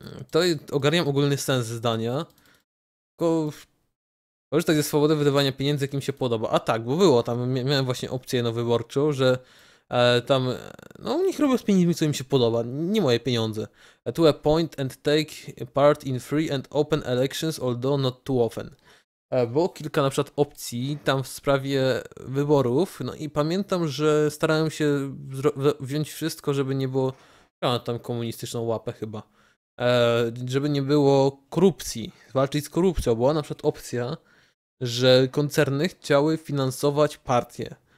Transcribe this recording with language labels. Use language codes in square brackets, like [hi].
[pl] To ogarniam ogólny sens zdania. Tylko korzystać ze swobody wydawania pieniędzy, jakim się podoba. A tak, bo było tam, miałem właśnie opcję no wyborczą, że tam, no niech robią z pieniędzmi, co im się podoba, nie moje pieniądze. [en] To appoint and take part in free and open elections, although not too often. [pl] Było kilka na przykład opcji tam w sprawie wyborów, no i pamiętam, że starałem się wziąć wszystko, żeby nie było, ja mam tam komunistyczną łapę chyba, żeby nie było korupcji, walczyć z korupcją. Była na przykład opcja, że koncerny chciały finansować partie.